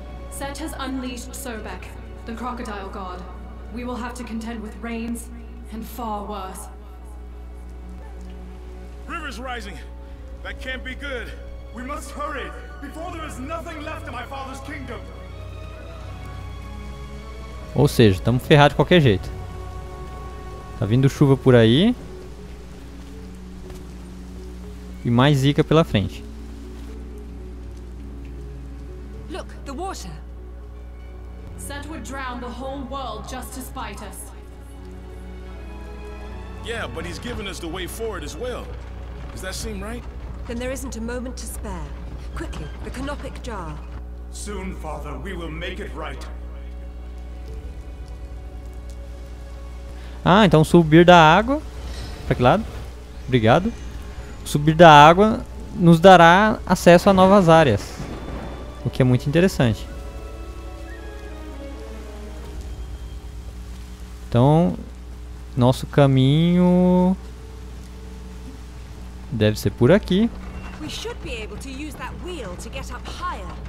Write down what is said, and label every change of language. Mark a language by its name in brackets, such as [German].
[English] Set has unleashed Sobek, the crocodile god. We will have to contend with rains and far worse. River's rising. That can't be good. We must hurry before there is nothing left of my father's kingdom. [Portuguese] Ou seja, estamos ferrados de qualquer jeito. Tá vindo chuva por aí. E mais zica pela frente. [English] Look, the water. Set would drown the whole world just to spite us. Yeah, but he's given us the way forward as well. Does that seem right? Then there isn't a moment to spare. Quickly, the canopic jar. Soon, father, we will make it right. [Portuguese] Ah, então subir da água. Pra que lado? obrigado. Subir da água nos dará acesso a novas áreas, o que é muito interessante. Então, nosso caminho deve ser por aqui. [English] We should be able to use that wheel to get up higher.